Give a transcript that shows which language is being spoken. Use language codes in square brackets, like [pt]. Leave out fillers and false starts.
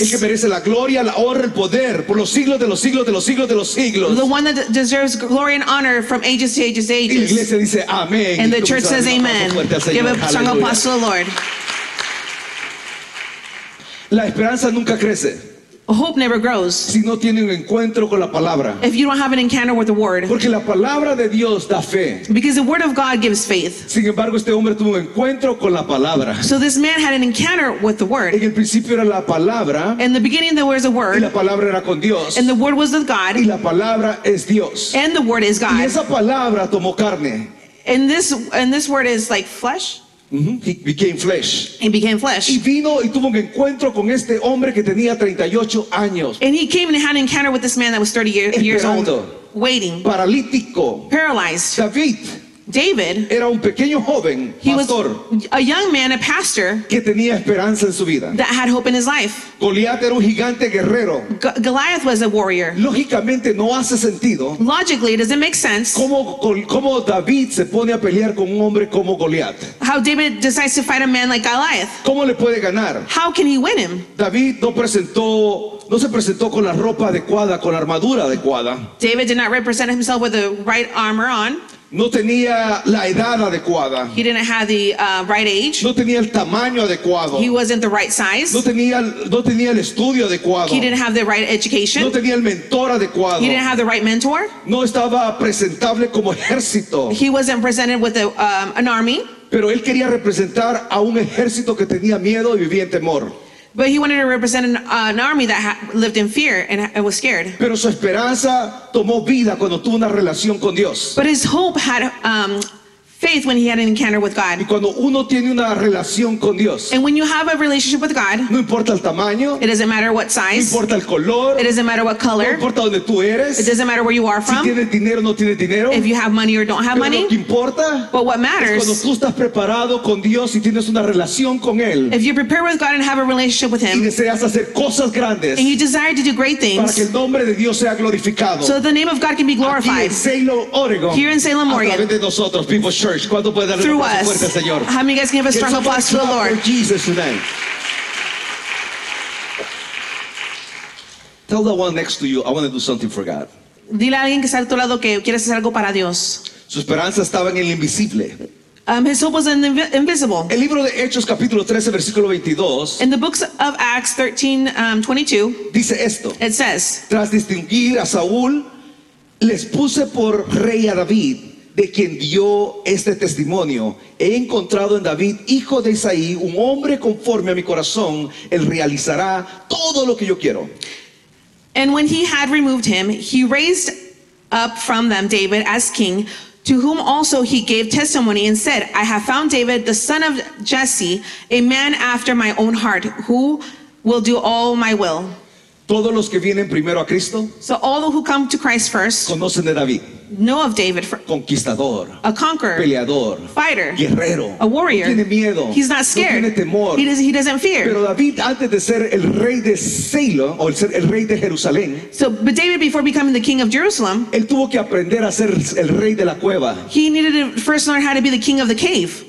[es] El que merece la gloria, la honra, el poder por los siglos de los siglos de los siglos de los siglos. [en] The one that deserves glory and honor from ages to ages to ages. [es] Y la iglesia dice amén. [en] And the church says amen. Give a strong applause to the Lord. [es] La esperanza nunca crece. [en] Hope never grows. [es] Si no tiene un encuentro con la palabra. [en] If you don't have an encounter with the word. [es] Porque la palabra de Dios da fe. [en] Because the word of God gives faith. [es] Sin embargo, este hombre tuvo un encuentro con la palabra. [en] So this man had an encounter with the word. [es] En el principio era la palabra. [en] In the beginning there was a word. [es] Y la palabra era con Dios. [en] And the word was with God. [es] Y la palabra es Dios. [en] And the word is God. [es] Y esa palabra tomó carne. [en] And this word is like flesh. Mm-hmm. He became flesh. He became flesh. [es] Y vino y tuvo un encuentro con este hombre que tenía 38 años. [en] And he came and had an encounter with this man that was 30 years old. Waiting. [es] Paralítico. [en] Paralyzed. [es] David. Era un pequeño joven, [en] he [es] pastor. [en] Was a young man, a pastor. [es] Que tenía esperanza en su vida. [en] That had hope in his life. [es] Goliath era un gigante guerrero. [en] Goliath was a warrior. [es] Lógicamente no hace sentido. [en] Logically, does it make sense? [es] ¿Cómo David se pone a pelear con un hombre como Goliath? [en] How David decides to fight a man like Goliath? [es] ¿Cómo le puede ganar? [en] How can he win him? [es] David no se presentó con la ropa adecuada, con la armadura adecuada. [en] David did not represent himself with the right armor on. [es] No tenía la edad adecuada. [en] He didn't have the right age. [es] No tenía el tamaño adecuado. [en] He wasn't the right size. [es] No tenía el estudio adecuado. [en] He didn't have the right education. [es] No tenía el mentor adecuado. [en] He didn't have the right mentor. [es] No estaba presentable como ejército. [en] He wasn't presented with an army. [es] Pero él quería representar a un ejército que tenía miedo y vivía en temor. [en] But he wanted to represent an army that lived in fear and was scared. [es] Pero su esperanza tomó vida cuando tuvo una relación con Dios. [en] But his hope had faith when he had an encounter with God. [es] Y cuando uno tiene una relación con Dios, [en] and when you have a relationship with God, [es] no importa el tamaño, [en] it doesn't matter what size, [es] no importa el color, [en] it doesn't matter what color, [es] no importa donde tú eres, [en] it doesn't matter where you are from, [es] si tienes dinero, no tienes dinero, [en] if you have money or don't have [es] pero [en] money, [es] lo que importa, [en] but what matters, [es] es cuando tú estás preparado con Dios y tienes una relación con Él, [en] if you're prepared with God and have a relationship with Him, [es] y deseas hacer cosas grandes, [en] and you desire to do great things, [es] para que el nombre de Dios sea glorificado, [en] so that the name of God can be glorified, [es] aquí en Salem, Oregon, [en] here in Salem, Oregon, [es] a través de nosotros, People's Church. [en] Through us. How many of you guys can give a strong applause to the Lord? Jesus today. Tell the one next to you, I want to do something for God. [es] Dile a alguien que está a tu lado que quieres hacer algo para Dios. Su esperanza estaba en el invisible. [en] His hope was in the invisible. [es] El libro de Hechos, capítulo 13, versículo 22. [en] In the books of Acts 13, 22. [es] Dice esto. [en] It says. [es] Tras distinguir a Saúl, les puse por rey a David. De quien dio este testimonio, he encontrado en David, hijo de Isaí, un hombre conforme a mi corazón, él realizará todo lo que yo quiero. [en] And when he had removed him, he raised up from them David as king, to whom also he gave testimony and said, I have found David, the son of Jesse, a man after my own heart, who will do all my will. [es] Todos los que vienen primero a Cristo, [en] so all those who come to Christ first, [es] conocen de David. [en] Know of David, [es] conquistador, [en] a conqueror, [es] peleador, [en] fighter, [es] guerrero, [en] a warrior. [es] No tiene miedo, [en] he's not scared. [es] No tiene temor, [en] he doesn't fear. [es] Pero David, antes de ser el rey de Salem o ser el rey de Jerusalén, [en] so but David, before becoming the king of Jerusalem, [es] él tuvo que aprender a ser el rey de la cueva. [en] He needed to first learn how to be the king of the cave.